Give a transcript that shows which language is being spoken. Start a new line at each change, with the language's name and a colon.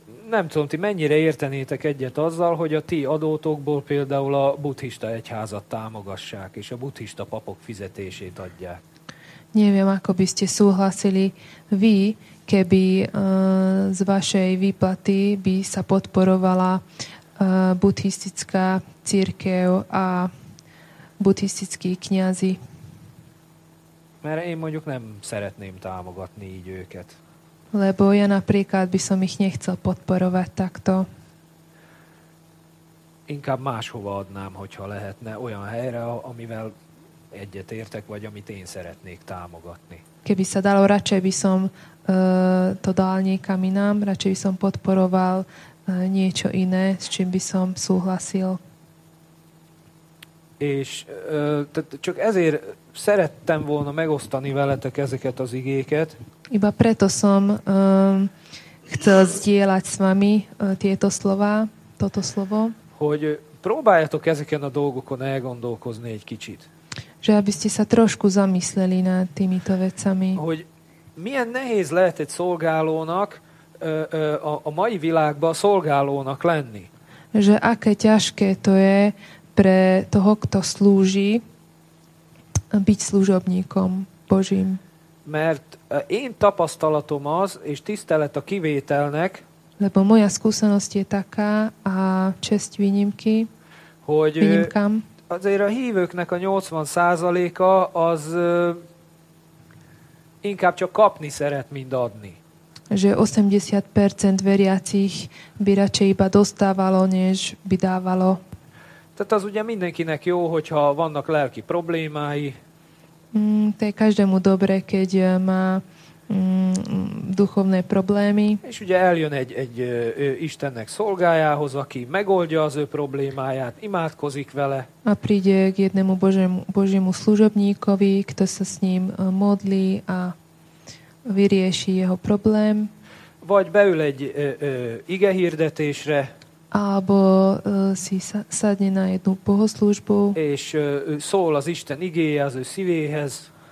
Hungarian: Nem tudom, ti mennyire értenétek egyet azzal, hogy a ti adótokból például a buddhista egyházat támogassák, és a buddhista papok fizetését adják.
Slovak: Neviem, ako by ste súhlasili vy, keby z vašej výplaty by sa podporovala buddhistická cirkev a buddhistickí kňazi.
Hungarian: Mert én mondjuk nem szeretném támogatni így őket.
Slovak: Lebo ja napríklad by som ich nechcel podporovať takto.
Hungarian: Inkább máshova adnám, hogyha lehetne, olyan helyre, amivel egyet értek, vagy amit én szeretnék támogatni.
Slovak: Keby sa dalo, radšej by som to dal niekam inám, radšej by som podporoval niečo iné, s čím by som súhlasil.
Hungarian: És csak ezért szerettem volna megosztani veletek ezeket az igéket.
Slovak: Iba preto som chcel zdieľať s vami tieto slova, toto slovo.
Hungarian: Hogy próbáljatok ezeken a dolgokon elgondolkozni egy kicsit.
Slovak: Že aby ste sa trošku zamysleli nad týmito vecami.
Hungarian: Hogy milyen nehéz lehet egy szolgálónak a mai világban szolgálónak lenni.
Slovak: že aké ťažké to je pre toho, kto slúži, byť služobníkom Božím.
Hungarian: Mert én tapasztalatom az, és tisztelet a kivételnek,
Slovak: lebo moja skúsenosť je taká a česť výnimky,
Hungarian: hogy
Slovak: výnimkám.
Hungarian: Azért a hívőknek a 80%-a az inkább csak kapni szeret, mint adni.
Slovak: Že 80% veriacich by radšej iba dostávalo, než by dávalo.
Hungarian: Tehát az ugye mindenkinek jó, hogyha vannak lelki problémái.
Slovak: To je každému dobre, keď má duchovné problémy.
Hungarian: És ugye eljön egy Istennek szolgájához, aki megoldja az ő problémáját, imádkozik vele.
Slovak: A príde k jednému Božiemu služobníkovi, kto sa s ním modlí a vyrieši jeho problém.
Hungarian: Vagy beül egy ige hirdetésre.
Slovak: Alebo si sadne na jednu bohoslúžbu.
Hungarian: És szól az Isten igéje az ő szívéhez.